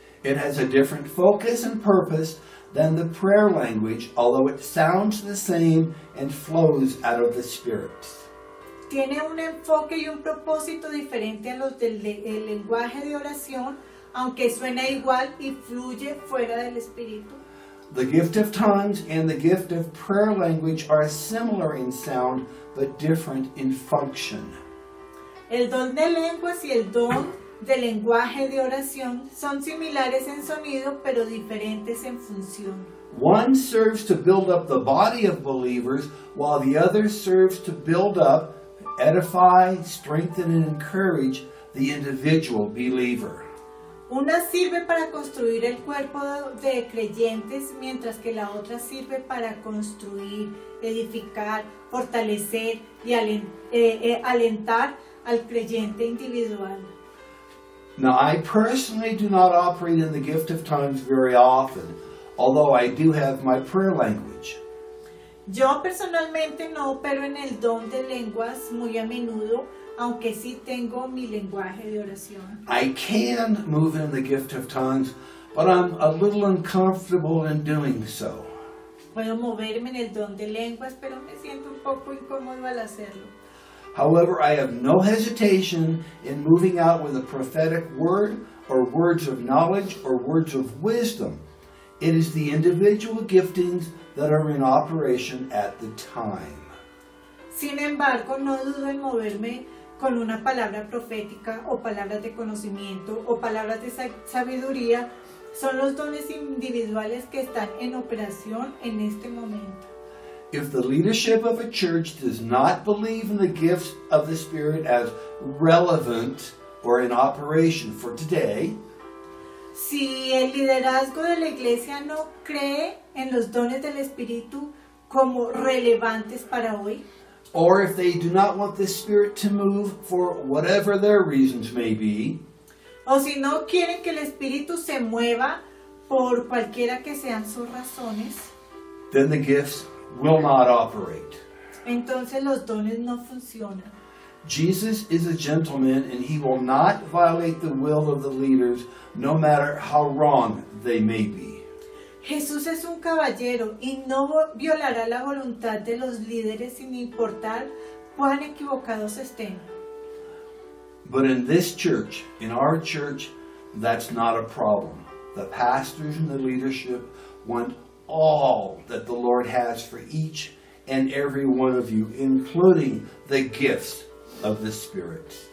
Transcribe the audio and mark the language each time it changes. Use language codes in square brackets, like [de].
[en] It has a different focus and purpose than the prayer language, although it sounds the same and flows out of the Spirit. [es] Tiene un enfoque y un propósito diferente a los del lenguaje de oración, aunque suena igual y fluye fuera del Espíritu. [en] The gift of tongues and the gift of prayer language are similar in sound, but different in function. [es] El don de lenguas y el don de lenguaje de oración son similares en sonido, pero diferentes en función. [en] One serves to build up the body of believers, while the other serves to build up, edify, strengthen, and encourage the individual believer. [es] Una sirve para construir el cuerpo de creyentes, mientras que la otra sirve para construir, edificar, fortalecer y alentar al creyente individual. [en] Now, I personally do not operate in the gift of tongues very often, although I do have my prayer language. [es] Yo personalmente no opero en el don de lenguas muy a menudo, aunque sí tengo mi lenguaje de oración. [en] I can move in the gift of tongues, but I'm a little uncomfortable in doing so. [es] Puedo moverme en el don de lenguas, pero me siento un poco incómodo al hacerlo. [en] However, I have no hesitation in moving out with a prophetic word or words of knowledge or words of wisdom. It is the individual giftings that are in operation at the time. [es] Sin embargo, no dudo en moverme con una palabra profética o palabras de conocimiento o palabras de sabiduría. Son los dones individuales que están en operación en este momento. [en] If the leadership of a church does not believe in the gifts of the Spirit as relevant or in operation for today, [es] si el liderazgo de la iglesia no cree en los dones del Espíritu como relevantes para hoy, [en] or if they do not want the Spirit to move for whatever their reasons may be, [es] o si no quieren que el Espíritu se mueva por cualquiera que sean sus razones, [en] then the gifts will not operate. [es] Entonces los dones no funcionan. [en] Jesus is a gentleman and he will not violate the will of the leaders, no matter how wrong they may be. [es] Jesús es un caballero y no violará la voluntad de los líderes sin importar cuán equivocados estén. [en] But in this church, in our church, that's not a problem. The pastors and the leadership want all that the Lord has for each and every one of you, including the gifts of the Spirit.